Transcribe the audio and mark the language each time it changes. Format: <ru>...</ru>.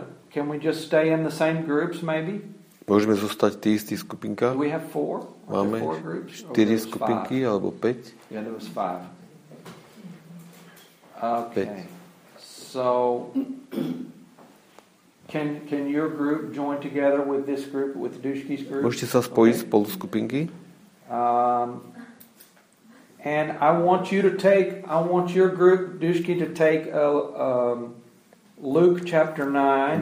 <en>Can we just stay in the same groups maybe?</en> <sk>Môžeme zostať v tých istých skupinkách?</sk> <en>We have four.</en> <sk>Máme štyri skupinky alebo päť?</sk> <en>Yeah, there was five. Okay.</en> <sk>Päť.</sk> <en>So can your group join together with this group, with Dushki's group?</en> <sk>Môžete sa spojiť okay. spolu skupinky?</sk> <en>And I want your group Dushki to take a Luke chapter 9.</en>